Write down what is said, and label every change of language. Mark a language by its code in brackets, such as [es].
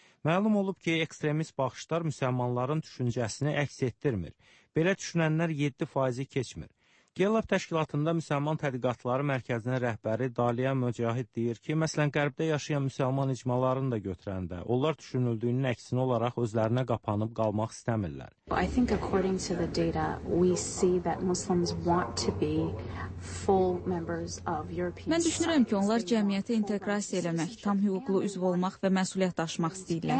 [az] Məlum olub ki, ekstremist baxışlar müsəlmanların düşüncəsini əks etdirmir. Belə düşünənlər 7% keçmir. Gelab təşkilatında müsəlman tədqiqatları mərkəzinin rəhbəri Daliya Möcahid deyir ki, məsələn, qərbdə yaşayan müsəlman icmalarını da götürəndə, onlar düşünüldüyünün əksini olaraq özlərinə qapanıb qalmaq istəmirlər. [en] I think according to the data, we see that Muslims want to be full members of European [az] Mən düşünürəm ki, onlar cəmiyyətə inteqrasiya eləmək, tam hüquqlu üzv olmaq və məsuliyyət daşımaq istəyirlər.